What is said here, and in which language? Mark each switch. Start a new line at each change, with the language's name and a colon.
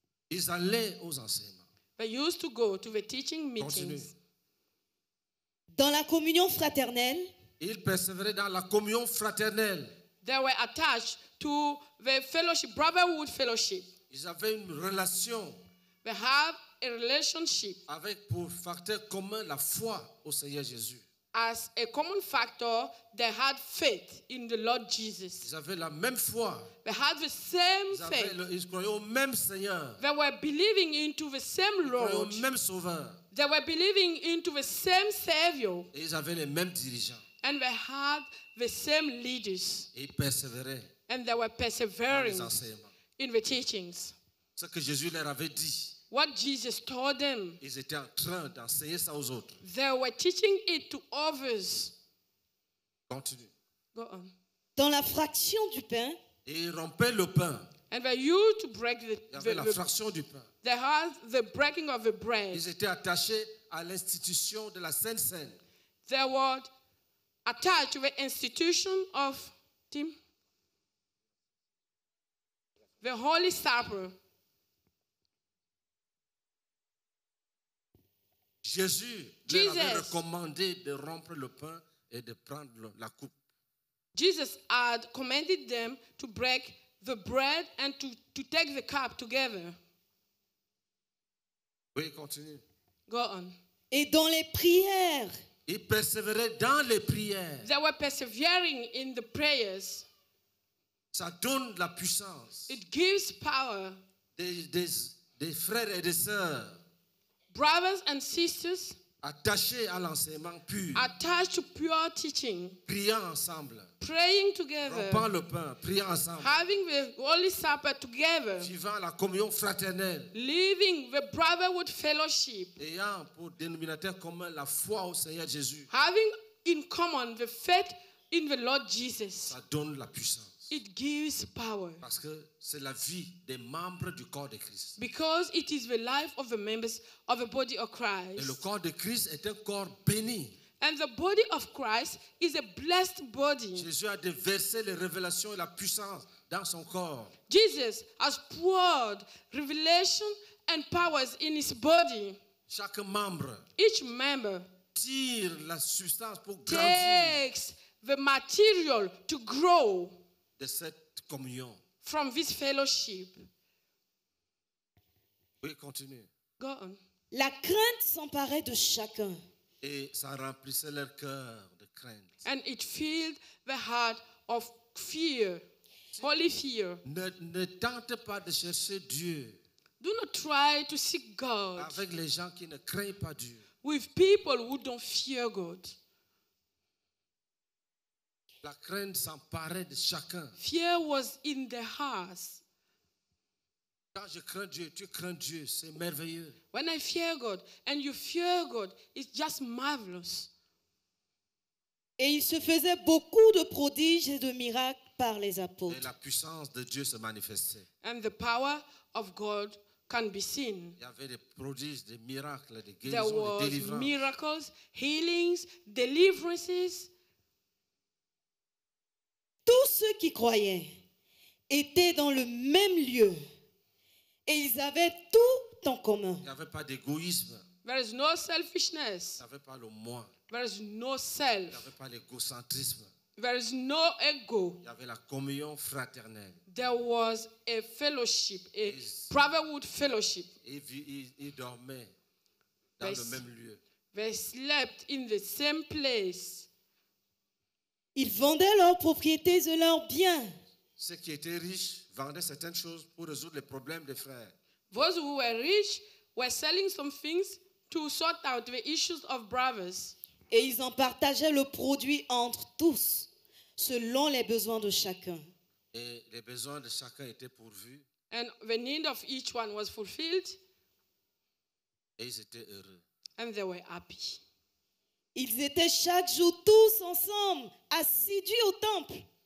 French: Ils allaient aux enseignements.
English: They used to go to the teaching meetings.
French: Continue. Dans la communion fraternelle. Ils persévéraient dans la communion fraternelle.
English: They were attached to the fellowship, brotherhood fellowship.
French: Ils avaient une relation.
English: They have a relationship.
French: Avec pour facteur commun la foi au Seigneur Jésus.
English: As a common factor, they had faith in the Lord Jesus.
French: Ils avaient la même foi.
English: They had the same
French: ils
English: faith.
French: Ils croyaient au même Seigneur.
English: They were believing into the same
French: ils
English: Lord.
French: Ils croyaient au même Sauveur.
English: They were believing into the same Savior.
French: Et ils avaient les mêmes dirigeants.
English: And they had the same leaders.
French: Et ils persévéraient.
English: And they were persevering.
French: Dans les enseignements.
English: In the teachings.
French: Ce que Jésus leur avait dit.
English: What Jesus told them.
French: Ils étaient en train d'enseigner ça aux autres.
English: They were teaching it to others.
French: Continue.
English: Go on.
French: Dans la fraction du pain. Et ils rompaient le pain.
English: And they used to break the
French: Il y avait la fraction du pain.
English: They had the breaking of the bread.
French: Ils étaient attachés à l'institution de la Sainte Cène.
English: They were attached to the institution of the Holy Supper.
French: Jésus leur avait recommandé de rompre le pain et de prendre la coupe.
English: Jesus had commanded them to break the bread and to take the cup together.
French: Oui, continue.
English: Go on.
French: Et dans les prières. Ils persévéraient dans les prières.
English: They were persevering in the prayers.
French: Ça donne la puissance.
English: It gives power.
French: Des frères et des sœurs.
English: Brothers and sisters.
French: Attachés à l'enseignement pur.
English: Attached to pure teaching.
French: Priant ensemble.
English: Praying together.
French: Rompant le pain, priant ensemble.
English: Having the Holy Supper together.
French: Vivant la communion fraternelle.
English: Living the brotherhood fellowship.
French: Ayant pour dénominateur commun la foi au Seigneur Jésus.
English: Having in common the faith in the Lord Jesus.
French: Ça donne la puissance.
English: It gives power.
French: Parce que c'est la vie des membres du corps de Christ.
English: Because it is the life of the members of the body of Christ.
French: Et le corps de Christ est un corps béni.
English: And the body of Christ is a blessed body.
French: Jésus a déversé les révélations et la puissance dans son corps.
English: Jesus has poured revelation and powers in his body.
French: Chaque membre.
English: Each member.
French: Tire la substance pour
English: takes
French: grandir.
English: The material to grow.
French: De cette communion.
English: From this fellowship.
French: Oui, continue.
English: Go on.
French: La crainte s'emparait de chacun. Et ça remplissait leur cœur de crainte.
English: And it filled the heart of fear, holy fear.
French: Ne tente pas de chercher Dieu.
English: Do not try to seek God.
French: Avec les gens qui ne craignent pas Dieu.
English: With people who don't fear God.
French: La crainte s'emparait de chacun.
English: Fear was in their hearts.
French: Quand je crains Dieu, tu crains Dieu, c'est merveilleux.
English: When I fear God and you fear God, it's just marvelous.
French: Et il se faisait beaucoup de prodiges et de miracles par les apôtres. Et la puissance de Dieu se manifestait.
English: And the power of God can be seen.
French: Il y avait des prodiges, des miracles, des guérisons, des délivrances.
English: There were miracles, healings, deliverances.
French: Tous ceux qui croyaient étaient dans le même lieu et ils avaient tout en commun. Il n'y avait pas d'égoïsme.
English: There is no selfishness.
French: Il n'y avait pas le moi.
English: There is no self.
French: Il n'y avait pas l'égocentrisme.
English: There is no ego.
French: Il y avait la communion fraternelle.
English: There was a fellowship, a brotherhood fellowship.
French: Ils dormaient dans le même lieu.
English: They slept in the same place.
French: Ils vendaient leurs propriétés et leurs biens. Ceux qui étaient riches vendaient certaines choses pour résoudre les problèmes des frères.
English: Those who were rich were selling some things to sort out the issues of brothers.
French: Et ils en partageaient le produit entre tous, selon les besoins de chacun. Et les besoins de chacun étaient pourvus.
English: And the need of each one was fulfilled.
French: Et ils étaient heureux.
English: And they were happy.
French: Ils étaient chaque jour tous ensemble, assidus au temple.